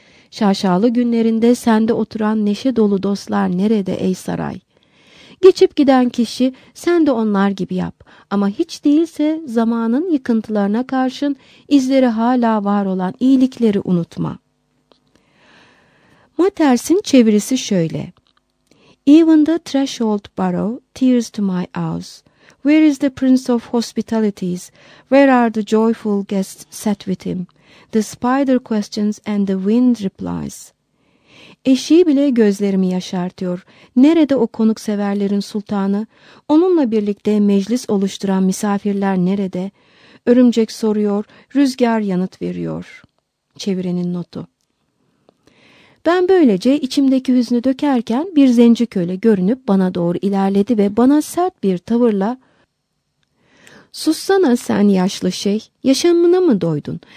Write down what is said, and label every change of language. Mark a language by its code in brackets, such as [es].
[tr] Şaşalı günlerinde sende oturan neşe dolu dostlar nerede ey saray? Geçip giden kişi sen de onlar gibi yap ama hiç değilse zamanın yıkıntılarına karşın izleri hala var olan iyilikleri unutma. Mater's'in çevirisi şöyle. [en] Even the threshold barrow tears to my eyes. Where is the prince of hospitalities? Where are the joyful guests sat with him? The spider questions and the wind replies. [tr] Eşiği bile gözlerimi yaşartıyor. Nerede o konukseverlerin sultanı? Onunla birlikte meclis oluşturan misafirler nerede? Örümcek soruyor, rüzgar yanıt veriyor. Çevirenin notu. Ben böylece içimdeki hüznü dökerken bir zenci köle görünüp bana doğru ilerledi ve bana sert bir tavırla ''Sussana sen yaşlı şey, yaşamına mı doydun?